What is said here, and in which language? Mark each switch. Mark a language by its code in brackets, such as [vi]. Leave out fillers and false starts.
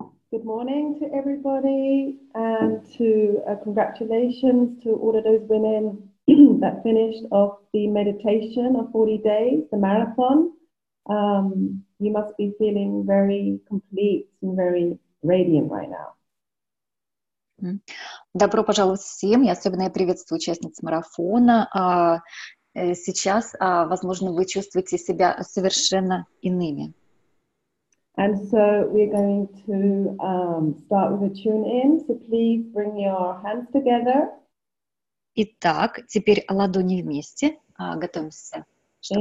[en] Good morning to everybody and to congratulations to all of those women that finished off the meditation of 40 days, the marathon. You must be feeling very complete and very radiant right now. [ru] Добро пожаловать всем, и особенно я приветствую участниц марафона. Сейчас, возможно, вы чувствуете себя совершенно иными. [en] And so we're going to start with a tune-in, so please bring your hands together. [ru] Итак, теперь ладони вместе, готовимся, чтобы